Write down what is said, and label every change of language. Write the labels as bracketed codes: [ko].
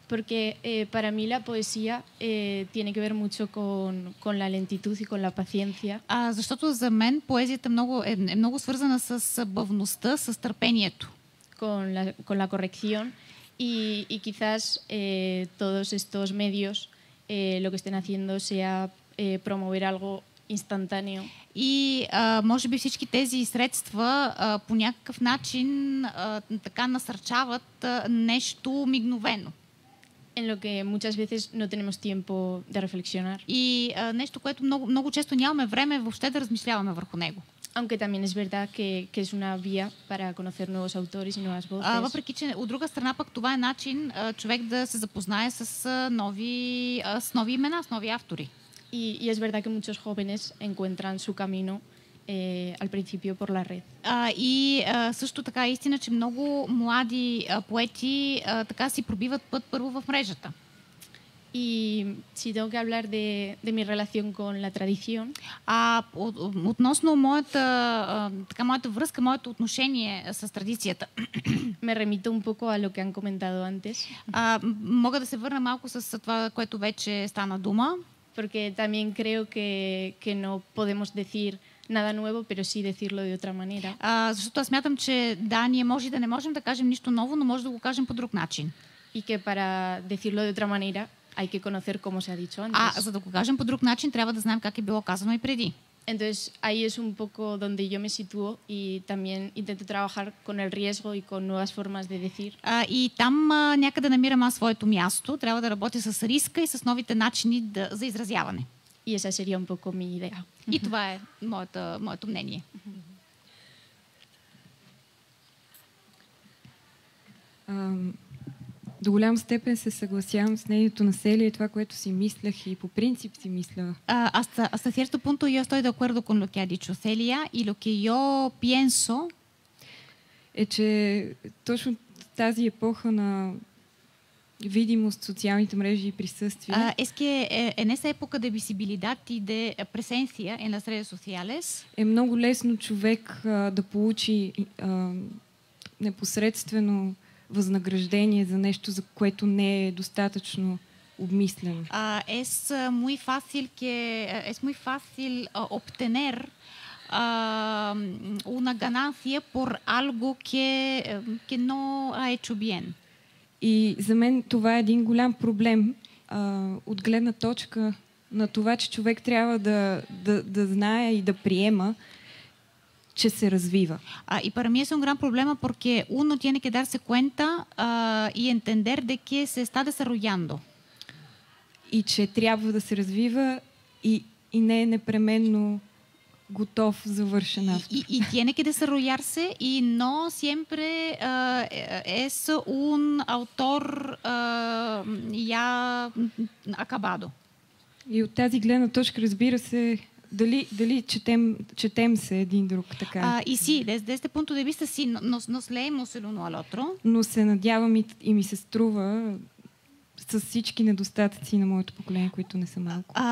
[es] Porque para mí la poesía tiene que ver mucho con la lentitud y con la paciencia. [bg] Защото за мен поезията е много свързана с бавността, с търпението. [es] Con la corrección y quizás todos estos medios lo que estén haciendo sea promover algo instantáneo. [bg] И може би всички тези средства по някакъв начин така насърчават нещо мигновено. [es] En lo que muchas veces no tenemos tiempo de reflexionar. [bg] И нещо, което много, много често нямаме време въобще да размишляваме върху него. [es] Aunque también es verdad que es una vía para conocer nuevos autores y nuevas voces. [bg] Въпреки че от друга страна пък това е начин човек да се запознае с нови имена, с нови автори. [es] Y es verdad que muchos jóvenes encuentran su camino al principio por la red. [bg] Също така е истина, че много млади поети така си пробиват път първо в мрежата. [es] Y si tengo que hablar de mi relación con la tradición, [bg] относно моята така моята връзка, моето отношение с традицията, [es] me remito un poco a lo que han comentado antes. [bg] Мога да се върна малко с това, което вече стана дума, [es] porque también creo que no podemos decir nada nuevo, pero sí decirlo de otra manera. [bg] Защото аз смятам, че да, ние може да не можем да кажем нищо ново, но може да го кажем по друг начин. [es] Y que para decirlo de otra manera hay que conocer cómo se ha dicho antes. [bg] За да го кажем по друг начин, трябва да знаем как е било казано и преди. [es] Entonces, ahí es un poco donde yo me sitúo y también intento trabajar con el riesgo y con nuevas formas de decir. [bg] И там някъде намирам аз своето място, трябва да работя с риска и с новите начини за изразяване. [es] Y esa sería un poco mi idea. [bg] И това е моето мнение. До голям степен се съгласявам с нейното насилие и това, което си мислях и по принцип си мисля. [es] Hasta cierto punto yo estoy de acuerdo con lo que ha dicho Celia y lo que yo pienso [bg] е, че точно тази епоха на видимост, социалните мрежи и присъствие. [es] Es que en esa época de visibilidad y de presencia en las redes sociales [bg] е много лесно човек да получи непосредствено възнаграждение за нещо, за което не е достатъчно обмислено. [es] Es muy fácil obtener una ganancia por algo que no ha hecho bien. [bg] И за мен това е един голям проблем от гледна точка на това, че човек трябва да знае и да приема, че се развива. [es] И para mí es un gran problema porque uno tiene que darse cuenta y entender de que se está desarrollando. [bg] И че трябва да се развива и не е непременно готов, завършен автор. [es] И tiene que desarrollarse y no siempre es un autor ya acabado. [bg] И от тази гледна точка, разбира се, Дали четем се един друг така? И си, [es] desde este punto de vista sí, nos leemos el uno al otro. [bg] Но се надявам и ми се струва с всички недостатъци на моето поколение, които не са малко.